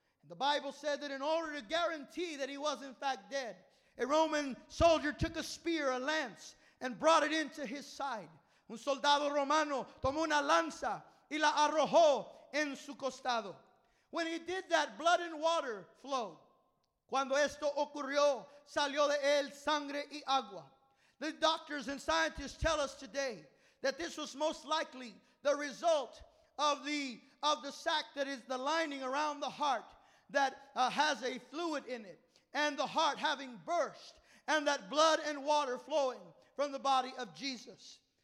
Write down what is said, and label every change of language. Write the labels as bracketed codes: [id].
[en] The Bible said that in order to guarantee that he was in fact dead, a Roman soldier took a spear, a lance, and brought it into his side. [es] Un soldado romano tomó una lanza y la arrojó en su costado. [en] When he did that, blood and water flowed. [es] Cuando esto ocurrió, salió de él sangre y agua. [en] The doctors and scientists tell us today that this was most likely the result of the sac that is the lining around the heart that has a fluid in it, and the heart having burst, and that blood and water flowing from the body of Jesus.